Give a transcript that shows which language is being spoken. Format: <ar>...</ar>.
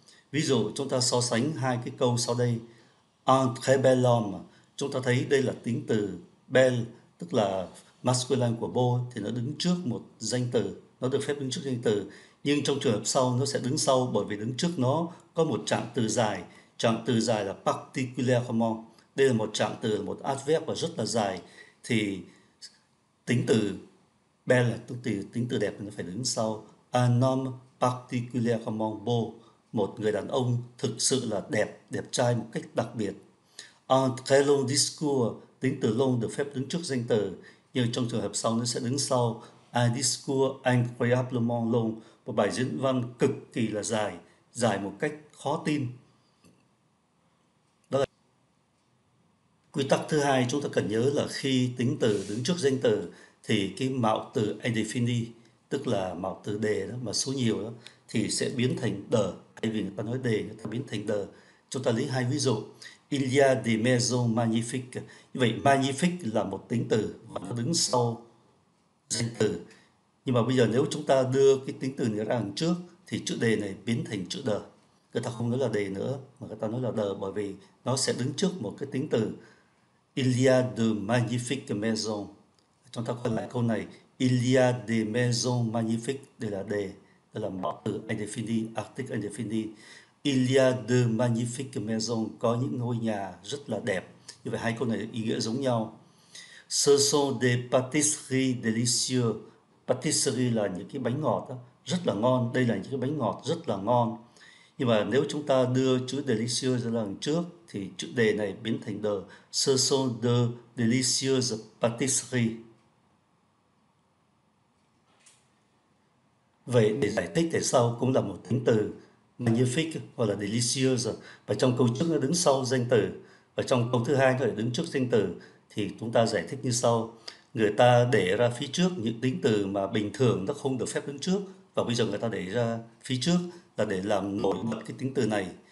<vi>Ví dụ chúng ta so sánh hai cái câu sau đây.</vi> <fr>Un très bel homme,</fr> <vi>chúng ta thấy đây là tính từ belle, tức là masculine của beau, thì nó đứng trước một danh từ, nó được phép đứng trước danh từ. Nhưng trong trường hợp sau nó sẽ đứng sau bởi vì đứng trước nó có một trạng từ dài. Trạng từ dài là particulièrement. Đây là một trạng từ, một adverb và rất là dài. Thì tính từ belle, tính từ đẹp nó phải đứng sau.</vi> <fr>Un homme particulièrement beau.</fr> <vi>Một người đàn ông thực sự là đẹp, đẹp trai một cách đặc biệt.</vi> <fr>Un très long discours,</fr> <vi>tính từ long được phép đứng trước danh từ. Nhưng trong trường hợp sau nó sẽ đứng sau.</vi> <fr>Un discours incroyablement long.</fr> <vi>Một bài diễn văn cực kỳ là dài, dài một cách khó tin. Đó là quy tắc thứ hai chúng ta cần nhớ là khi tính từ đứng trước danh từ thì cái mạo từ indefini, tức là mạo từ đề đó, mà số nhiều đó, thì sẽ biến thành the. Thay vì người ta nói đề, người ta biến thành the. Chúng ta lấy hai ví dụ.</vi> <fr>Il y a des maisons magnifiques.</fr> <vi>Như vậy, magnifique là một tính từ và nó đứng sau danh từ. Nhưng mà bây giờ nếu chúng ta đưa cái tính từ này ra đằng trước thì chữ đề này biến thành chữ đờ. Người ta không nói là đề nữa mà người ta nói là đờ bởi vì nó sẽ đứng trước một cái tính từ.</vi> <fr>Il y a de magnifiques maisons.</fr> <vi>Chúng ta quay lại câu này.</vi> <fr>Il y a de maisons magnifiques.</fr> <vi>Đây là đề. Đây là mẫu từ indéfini, article indéfini.</vi> <fr>Il y a de magnifiques maisons.</fr> <vi>Có những ngôi nhà rất là đẹp. Như vậy hai câu này ý nghĩa giống nhau.</vi> <fr>Ce sont des pâtisseries délicieuses.</fr> <vi>Pâtisserie là những cái bánh ngọt đó, rất là ngon. Đây là những cái bánh ngọt rất là ngon. Nhưng mà nếu chúng ta đưa chữ delicious ra lần trước thì chữ đề này biến thành the.</vi> <fr>Ce sont de delicieuses pâtisseries.</fr> <vi>Vậy để giải thích tại sao cũng là một tính từ magnifique hoặc là delicious, và trong câu trước nó đứng sau danh từ và trong câu thứ hai nó lại đứng trước danh từ, thì chúng ta giải thích như sau. Người ta để ra phía trước những tính từ mà bình thường nó không được phép đứng trước, và bây giờ người ta để ra phía trước là để làm nổi bật cái tính từ này.</vi>